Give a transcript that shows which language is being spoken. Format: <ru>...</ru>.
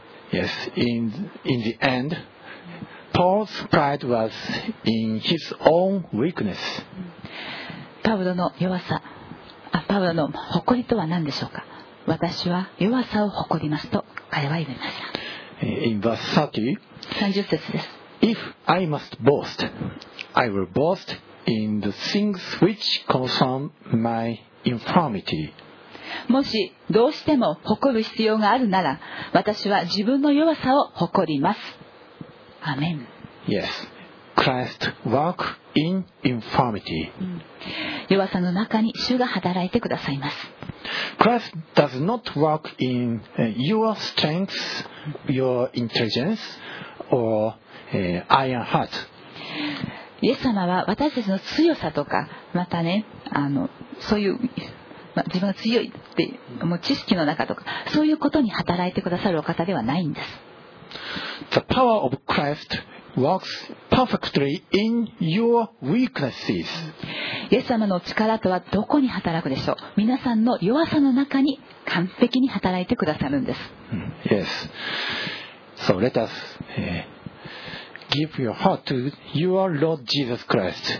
<en>Yes, in the end, Paul's pride was in his own weakness.</en> <ja>パウロの弱さ、パウロの誇りとは何でしょうか。私は弱さを誇りますと彼は言いました。</ja> <en>in verse 30,</en> <ja>30節です。</ja> <en>If I must boast, I will boast in the things which concern my infirmity.</en> <ja>もしどうしても誇る必要があるなら、私は自分の弱さを誇ります。アメン。</ja> <en>Yes. Christ work in infirmity.</en> <ja>弱さの中に主が働いてくださいます。</ja> <en>Christ does not work in your strengths, your intelligence, or iron heart.</en> <ja>イエス様は私たちの強さとか、またね、そういう、自分が強いって、もう知識の中とか、そういうことに働いてくださるお方ではないんです。</ja> <en>The power of Christ works perfectly in your weaknesses.</en> <ja>イエス様の力とはどこに働くでしょう。皆さんの弱さの中に完璧に働いてくださるんです。</ja> <en>Yes. So let us give your heart to your Lord Jesus Christ.</en>